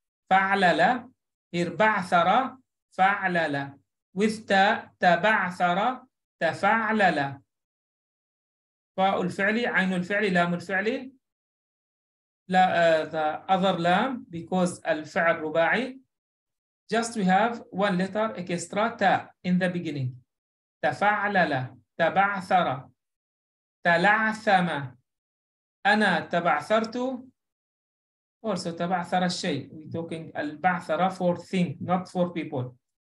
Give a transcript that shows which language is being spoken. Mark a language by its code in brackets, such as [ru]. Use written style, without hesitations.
[ar] فعلل بعثر فعلل [en] with [ar] تاء تبعثر تفعلل. فاء الفعل عين الفعل لام الفعل لا [en] the other [ar] لام [en] because [ar] الفعل رباعي. [en] Just we have one letter extra تاء in the beginning. [ar] تفعلل تبعثر تلعثم. أنا تبعثرت [en] also [ar] تبعثر الشيء. [en] We talking البعثرة for thing not for people.